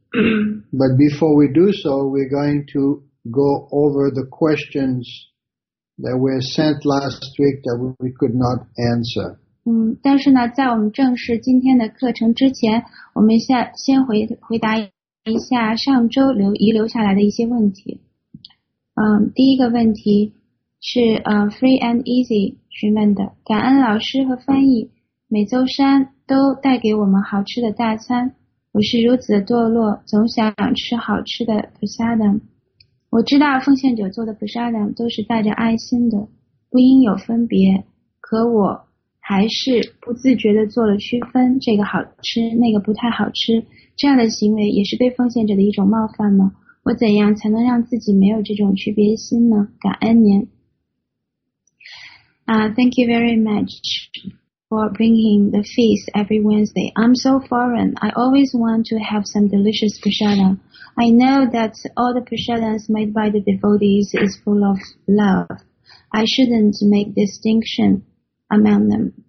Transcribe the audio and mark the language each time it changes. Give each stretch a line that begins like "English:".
English: But before we do so, we're going to go over the questions that were sent last week that we could not answer.
Chinese: 但是呢，在我们正式今天的课程之前，我们先回答。一下上周遗留下来的一些问题。第一个问题是Free and Easy 询问的，感恩老师和翻译，每周三都带给我们好吃的大餐。我是如此的堕落，总想吃好吃的 Prasadam。我知道奉献者做的 Prasadam 都是带着爱心的，不应有分别，可我还是不自觉地做了区分，这个好吃，那个不太好吃。这样的行为也是对奉献者的一种冒犯吗？我怎样才能让自己没有这种区别心呢？感恩您。
English: Thank you very much for bringing the feast every Wednesday. I'm so foreign. I always want to have some delicious prasadam. I know that all the prasadams made by the devotees is full of love. I shouldn't make distinction among them.